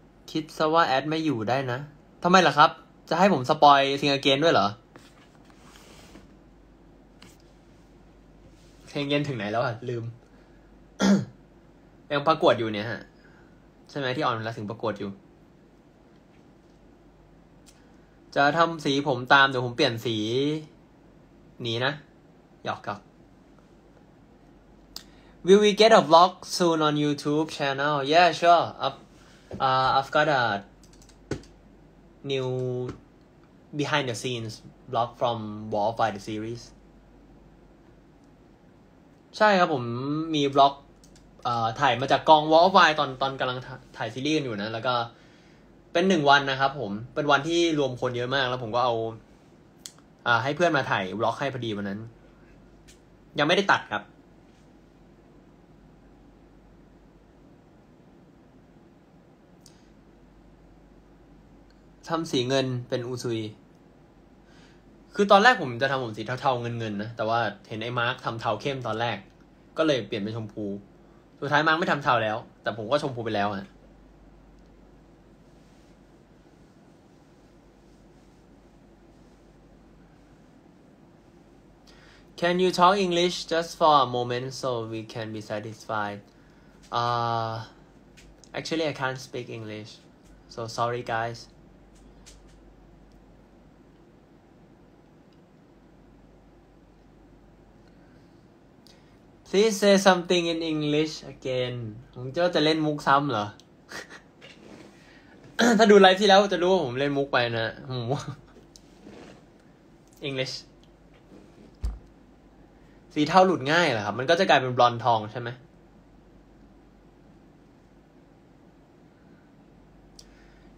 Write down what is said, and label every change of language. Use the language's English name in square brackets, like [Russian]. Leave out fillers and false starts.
[Thai] คิดซะว่าแอดไม่อยู่ได้นะทำไมล่ะครับจะให้ผมสปอยซิงเกิลด้วยเหรอซิงเกิลถึงไหนแล้วอ่ะลืม ยังประกวดอยู่เนี่ยฮะใช่ไหมที่ออนแล้วถึงประกวดอยู่จะทำสีผมตามเดี๋ยวผมเปลี่ยนสีหนีนะหยอกครับ [English] Will we get a vlog soon on YouTube channel? Yeah, sure. I've got a new behind the scenes vlog from War of the Series. [Thai] ใช่ครับผมมีvlog ถ่ายมาจากกอง War of Y ตอนกำลังถ่ายซีรีส์กันอยู่นะแล้วก็เป็น1วันนะครับผมเป็นวันที่รวมคนเยอะมากแล้วผมก็เอาให้เพื่อนมาถ่ายวล็อกให้พอดีวันนั้นยังไม่ได้ตัดครับ ทำสีเงินเป็นอุซุยคือตอนแรกผมจะทำผมสีเทาๆเงินนะแต่ว่าเห็นไอ้มาร์คทำเทาเข้มตอนแรกก็เลยเปลี่ยนเป็นชมพูสุดท้ายมาร์คไม่ทำเทาแล้วแต่ผมก็ชมพูไปแล้วอ่ะ [English] Can you talk English just for a moment so we can be satisfied? Actually, I can't speak English. So sorry, guys. Please say something in English again. [Thai] ผมจะเล่นมุกซ้ำเหรอถ้าดูไลฟ์ที่แล้วจะรู้ว่าผมเล่นมุกไปนะ English. สีเทาหลุดง่ายเหรอครับมันก็จะกลายเป็นบลอนด์ทองใช่ไหมอ